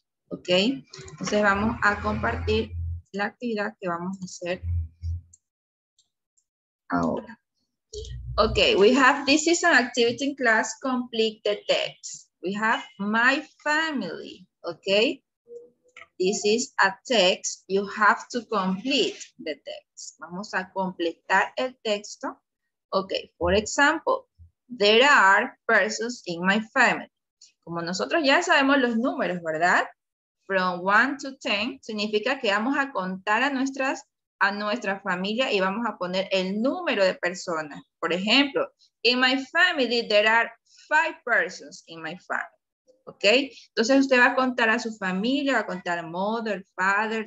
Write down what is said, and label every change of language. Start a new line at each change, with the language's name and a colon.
Spanish: Ok, entonces vamos a compartir la actividad que vamos a hacer ahora.
English: Ok, we have, this is an activity in class, complete the text. We have my family, ok. This is a text, you have to complete the text.
Spanish: Vamos a completar el texto.
English: Ok, for example, there are persons in my family.
Spanish: Como nosotros ya sabemos los números, ¿verdad?
English: From 1 to 10
Spanish: significa que vamos a contar a nuestra familia y vamos a poner el número de personas. Por ejemplo,
English: in my family there are 5 persons in my family. ¿Ok?
Spanish: Entonces usted va a contar a su familia, va a contar
English: mother, father.